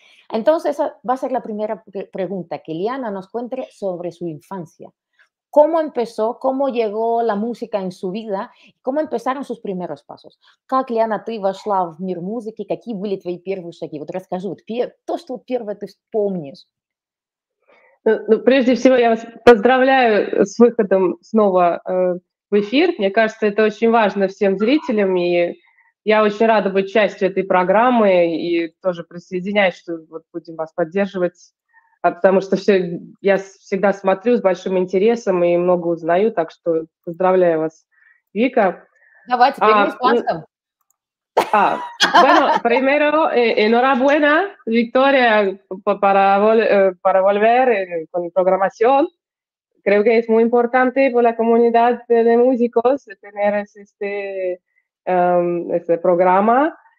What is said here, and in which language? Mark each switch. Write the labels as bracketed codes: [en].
[es] Entonces, esa va a ser la primera pregunta que Liana nos cuente sobre su infancia. cómo empezó, cómo llegó la música en su vida, cómo empezaron sus primeros pasos. [ru] Как Лена, ты вошла в мир музыки, какие были твои первые шаги? Вот расскажи, вот то, что первое ты вспомнишь. Ну, прежде всего, я вас поздравляю с выходом снова в эфир. Мне кажется, это очень важно всем зрителям, и я очень рада быть частью этой программы и тоже присоединяюсь, что вот будем вас поддерживать, потому что все, я всегда смотрю с большим интересом и много узнаю, так что поздравляю вас, Вика. Давайте, теперь на испанском. [es] Bueno, primero, enhorabuena, Victoria, para volver con programación. Creo que es muy importante para la comunidad de músicos tener este programa.